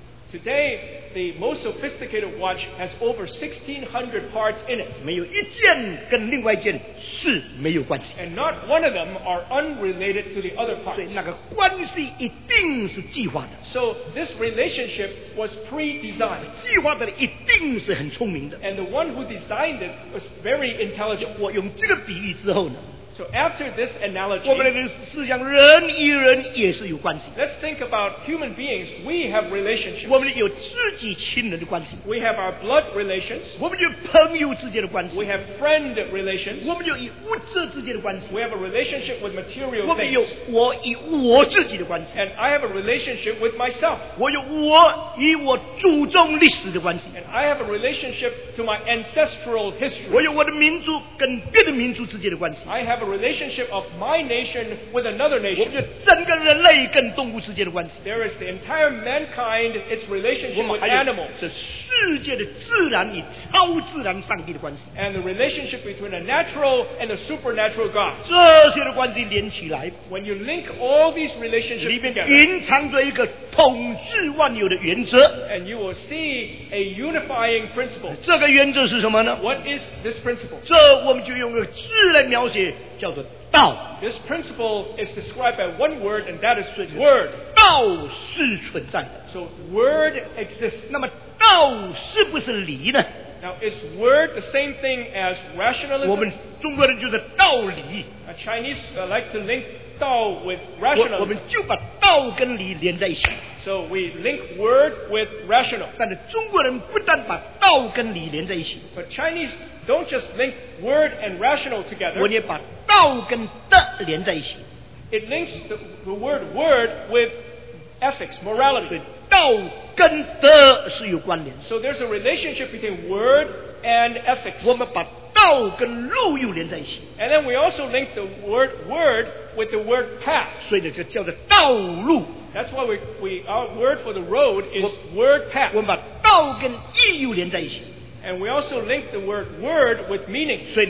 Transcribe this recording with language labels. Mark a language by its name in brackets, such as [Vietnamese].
[English] Today, the most sophisticated watch has over 1,600 parts in it. [Chinese] 没有一件跟另外一件是没有关系。 [English] And not one of them are unrelated to the other parts. [Chinese] 所以那个关系一定是计划的。 [English] So this relationship was pre-designed. [Chinese] 计划的一定是很聪明的。 [English] And the one who designed it was very intelligent. [Chinese] 我用这个比喻之后呢, [English] so after this analogy, [Chinese] 我们的思想人与人也是有关系。 [English] Let's think about human beings. We have relationships. [Chinese] 我们有自己亲人的关系。 [English] We have our blood relations. [Chinese] 我们有朋友之间的关系。 [English] We have friend relations. [Chinese] 我们有以物质之间的关系。 [English] We have a relationship with material things. [Chinese] 我们有我以我自己的关系。 [English] And I have a relationship with myself. [Chinese] 我有我以我祖宗历史的关系。 [English] And I have a relationship to my ancestral history. [Chinese] 我有我的民族跟别的民族之间的关系。 [English] I have a relationship of my nation with another nation. [Chinese] 我们整个人类跟动物之间的关系。 [English] There is the entire mankind, its relationship with animals. [Chinese] 我们还有这世界的自然与超自然上帝的关系。 [English] And the relationship between a natural and a supernatural God. [Chinese] 这些的关系连起来, [English] when you link all these relationships together, [Chinese] 里面隐藏着一个统治万有的原则。 [English] And you will see a unifying principle. [Chinese] 这个原则是什么呢? [English] What is this principle? [Chinese] 这我们就用个字来描写, 叫做道。 [English] This principle is described by one word, and that is word. [Chinese] 道是存在的。 [English] So word exists. [Chinese] 那么道是不是理呢? [English] Now is word the same thing as rationalism? [Chinese] 我们中国人就是道理。 [English] A Chinese like to link 道 with rational. [Chinese] 我们就把道跟理连在一起。 [English] So we link word with rational. [Chinese] 但是中国人不但把道跟理连在一起。 [English] But Chinese don't just link word and rational together. [Chinese] 我们也把道跟德连在一起。 [English] It links the word with ethics, morality. [Chinese] 道跟德是有关联。 [English] So there's a relationship between word and ethics. [Chinese] 我们把道跟路又连在一起。 [English] And then we also link the word with the word path. [Chinese] 所以呢，就叫做道路。 [English] That's why our word for the road is word path. [Chinese] 我们把道跟意又连在一起。 [English] And we also link the word with meaning.